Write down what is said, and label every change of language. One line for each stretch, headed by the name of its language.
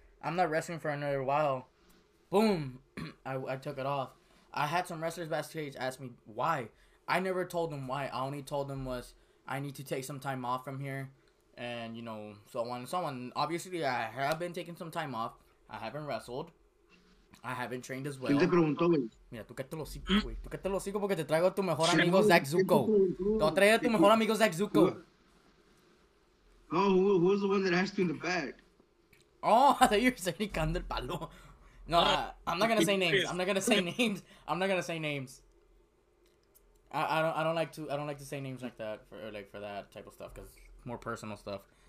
English: I'm not wrestling for another while. Boom. I took it off. I had some wrestlers backstage ask me why. I never told them why. I only told them was, I need to take some time off from here. And, you know, so on and so on. Obviously, I have been taking some time off. I haven't wrestled. I haven't trained as well.
Spanish: Mira, tú que te lo sigo, güey. Tú que te lo sigo porque te traigo a tu mejor amigo, Zach Zuko. Te traigo a tu mejor amigo, Zach Zuko.
English: Oh, who's the one that asked you in the back? Oh, I thought you were saying Cando el Palo. No, I'm not going to say names. I'm not going to say names. I don't like to say names like that for that type of stuff, because it's more personal stuff.